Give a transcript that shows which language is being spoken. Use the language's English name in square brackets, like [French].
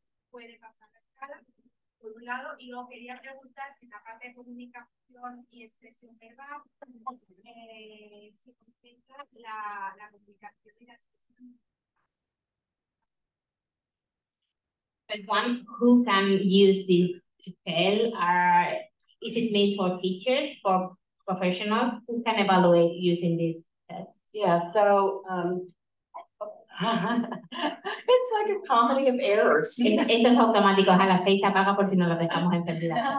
[Spanish] Puede pasar la escala, por un lado, y luego quería preguntar si la parte de comunicación y expresión verbal se concentra la comunicación y la expresión. [English] First one, who can use this to tell? Is it made for teachers, for professionals? Who can evaluate using this? Yeah, so it's like a comedy of errors. [Spanish] Esto es automático. A las 6 se apaga por si no lo dejamos encendido.